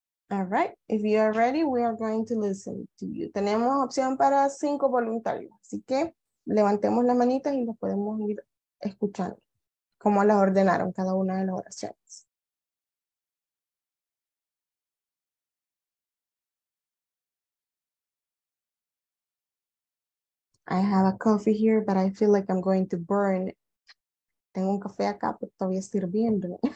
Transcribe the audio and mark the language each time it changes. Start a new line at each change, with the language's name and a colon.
English: All right, if you are ready, we are going to listen to you.
Spanish: Tenemos opción para 5 voluntarios, así que levantemos las manitas y los podemos ir escuchando cómo las ordenaron cada una de las oraciones.
English: I have a coffee here, but I feel like I'm going to burn.
Spanish: Tengo un café acá, pero todavía estoy hirviendo.